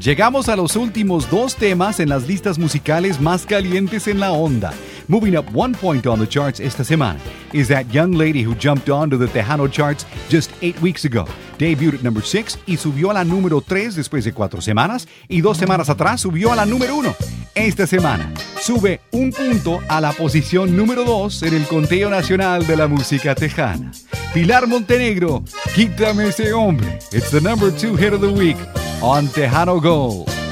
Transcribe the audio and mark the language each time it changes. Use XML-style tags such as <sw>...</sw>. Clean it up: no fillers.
<es>Llegamos a los últimos dos temas en las listas musicales más calientes en la onda.</es> <en>Moving up one point on the charts</en> <es>esta semana</es> <en>is that young lady who jumped onto the Tejano charts just 8 weeks ago. Debuted at number 6</en> <es>y subió a la número 3 después de 4 semanas, y 2 semanas atrás subió a la número 1. Esta semana sube un punto a la posición número 2 en el conteo nacional de la música tejana. Pilar Montenegro, Quítame Ese Hombre.</es> <en>It's the number 2 hit of the week on Tejano Gold.</en>